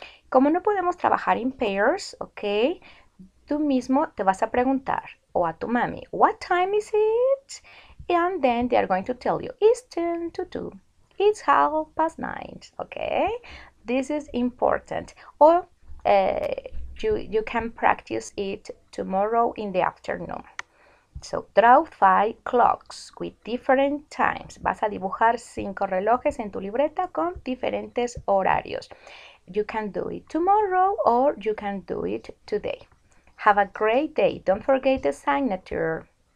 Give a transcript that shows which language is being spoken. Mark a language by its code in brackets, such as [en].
[es] Como no podemos trabajar [en] in pairs, [es] ok, tú mismo te vas a preguntar, o a tu mami, [en] what time is it? And then they are going to tell you, it's 10 to 2, it's half past 9, ok. This is important. O you can practice it tomorrow in the afternoon. So, draw five clocks with different times. [es] Vas a dibujar cinco relojes en tu libreta con diferentes horarios. [en] You can do it tomorrow or you can do it today. Have a great day. Don't forget the signature.